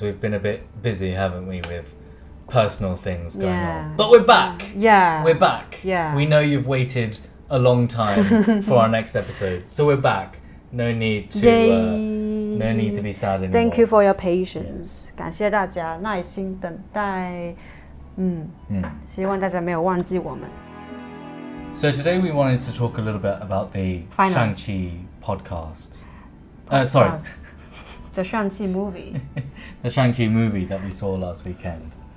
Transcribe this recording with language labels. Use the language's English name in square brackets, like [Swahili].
[English] so we've been a bit busy, haven't we, with personal things going on. But we're back! We know you've waited a long time for our next episode, so we're back. No need to be sad anymore. Thank you for your patience. Yes. [Chinese] 感谢大家耐心等待，希望大家没有忘记我们。 [English] So today we wanted to talk a little bit about the Final. Shang-Chi podcast. Sorry. The Shang-Chi movie. The Shang-Chi movie that we saw last weekend.